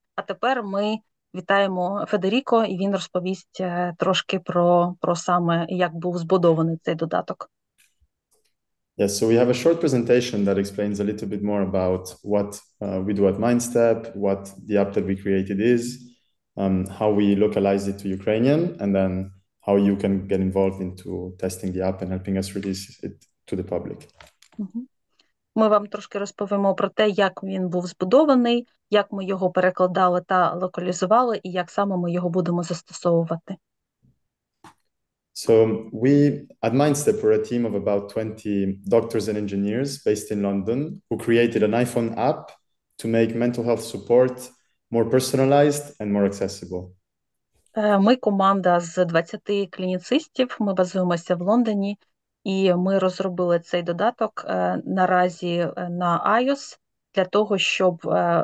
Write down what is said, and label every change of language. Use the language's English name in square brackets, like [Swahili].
[Ukrainian] А тепер ми вітаємо Федеріко, і він розповість трошки про саме, як був збудований цей додаток. [English] Yes, so we have a short presentation that explains a little bit more about what we do at Mindstep, what the app that we created is, how we localize it to Ukrainian, and then how you can get involved into testing the app and helping us release it to the public. [Ukrainian] Ми вам трошки розповімо про те, як він був збудований, як ми його перекладали та локалізували, і як саме ми його будемо застосовувати. [English] So we at Mindstep were a team of about 20 doctors and engineers based in London who created an iPhone app to make mental health support more personalized and more accessible. [Ukrainian] Ми команда з 20 клініцистів, ми базуємося в Лондоні, і ми розробили цей додаток наразі на iOS для того, щоб